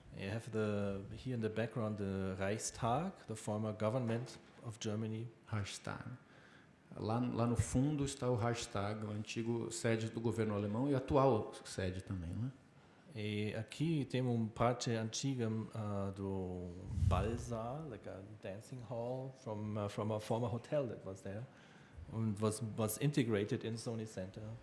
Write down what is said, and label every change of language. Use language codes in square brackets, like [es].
[en] You have the here in the background the Reichstag, the former government of Germany. Reichstag. [pt] Lá no fundo está o Reichstag, o antigo sede do governo alemão e atual sede também, né? E aqui tem uma parte antiga do Ballsaal, [en] like a dancing hall from a former hotel that was there, and was integrated in Sony Center.